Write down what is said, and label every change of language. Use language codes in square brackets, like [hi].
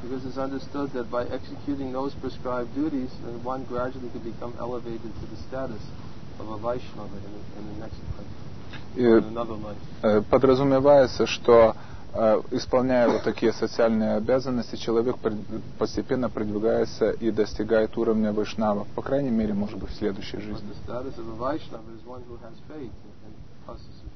[en] Because it's understood that by executing those prescribed duties, then one gradually could become elevated to the status of a Vaishnava in the next life, in another life. [ru] Подразумевается, что исполняя вот такие социальные обязанности, человек постепенно продвигается и достигает уровня Вайшнава, по крайней мере, может быть, в следующей жизни. [en] But the status of a Vaishnava is one who has faith and process.